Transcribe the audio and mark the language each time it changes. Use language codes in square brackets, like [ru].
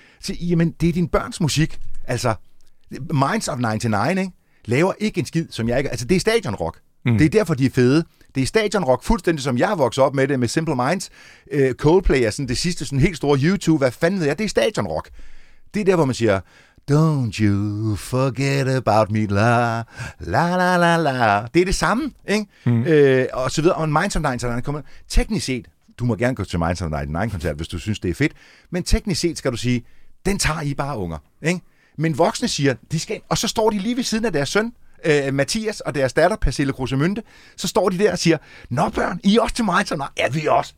[da] Så, jamen, det er din børns musik. Altså, Minds of 99, ikke? Laver ikke en skid, som jeg ikke... Altså, det er stadionrock. Mm. Det er derfor, de er fede. Det er stadionrock, fuldstændig som jeg har vokset op med det, med Simple Minds. Coldplay er sådan det sidste, sådan helt store YouTube. Hvad fanden ved jeg? Det er stadionrock. Det er der, hvor man siger... [en] Don't you forget about me, la, la, la, la, la. [da] Det er det samme, ikke? Mm. Og så videre. Og Minds of 99 kommer... Teknisk set... Du må gerne gå til Minds of 99-koncert, hvis du synes, det er fedt. Men teknisk set skal du sige, den tager I bare, unger, ikke? Men voksne siger, de skal, og så står de lige ved siden af deres søn, Mathias, og deres datter, Pernille Krusemynte, så står de der og siger, nå børn, I er også til Minds? Nej, er vi også?